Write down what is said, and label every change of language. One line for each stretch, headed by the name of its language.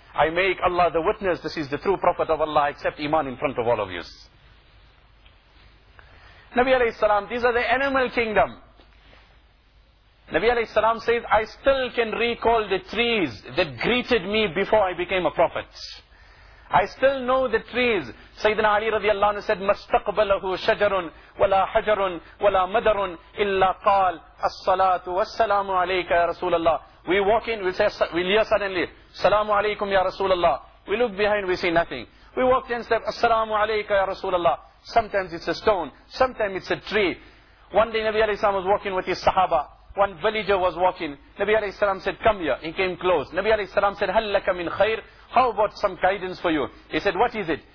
English: I make Allah the witness. This is the true prophet of Allah. I accept iman in front of all of you. Nabi alayhi salam, these are the animal kingdom. Nabi alayhi salam says, I still can recall the trees that greeted me before I became a prophet. I still know the trees. Sayyidina Ali radiallahu anhu said,
Arabic: مَسْتَقْبَلَهُ شَجَرٌ وَلَا حَجَرٌ وَلَا مَدَرٌ إِلَّا قَالَ الصَّلَاةُ وَالسَّلَامُ عَلَيْكَ يَا رَسُولَ اللَّهِ.
English: We walk in, we'll hear suddenly, Salamu alaykum ya Rasulallah. We look behind, we see nothing. We walk in step, Assalamu alayka ya Rasulallah. Sometimes it's a stone, sometimes it's a tree. One day Nabi alayhi salam was walking with his sahaba. One villager was walking. Nabi alayhi salam said, come here. He came close. Nabi alayhi salam said,
Arabic: Hallaka min khair.
English: How about some guidance for you? He said, what is it?